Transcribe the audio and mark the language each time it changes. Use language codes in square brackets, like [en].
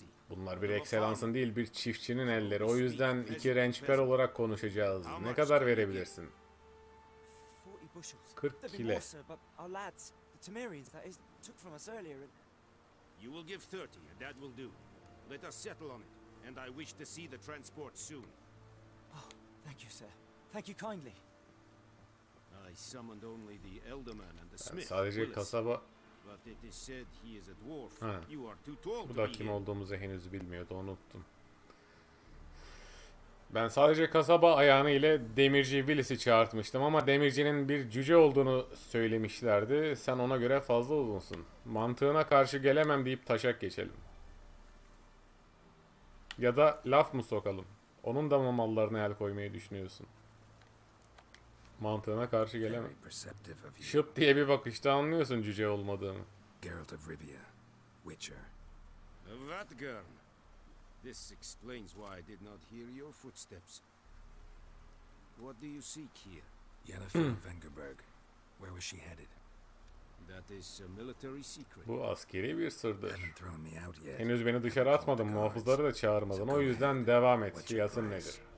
[tr] Bunlar bir excellence'ın değil, bir çiftçinin elleri. O yüzden iki rençper olarak konuşacağız. Ne kadar verebilirsin? [en] bushels. 40 kilo. Sir, but our lads, the Temerians, that is, took from us earlier. And... You will give 30, and that will do. Let us settle on it, and I wish to see the transport soon. Oh, thank you, sir. Thank you kindly. I summoned only the Elderman and the smith. [tr] Sadece Willis. Kasaba. [en] But it is said he is a dwarf. Ha. You are too tall. [tr] Bu da kim olduğumuzu henüz bilmiyordu, unuttum. Ben sadece kasaba ayağını ile demirci Willis'i çağırtmıştım ama demircinin bir cüce olduğunu söylemişlerdi. Sen ona göre fazla uzunsun. Mantığına karşı gelemem deyip taşak geçelim. Ya da laf mı sokalım? Onun da mı mallarına el koymayı düşünüyorsun? Mantığına karşı gelemem. Şıp diye bir bakışta anlıyorsun cüce olmadığını. [en] Geralt of Rivia, Witcher. What girl? This explains why I did not hear your footsteps. What do you seek here? Yennefer Vengerberg. Where was she headed? That is a military secret. [tr] Bu askeri bir sırdır. Henüz beni dışarı atmadın, muhafızları da çağırmadın. O yüzden devam et. Fiyatın nedir?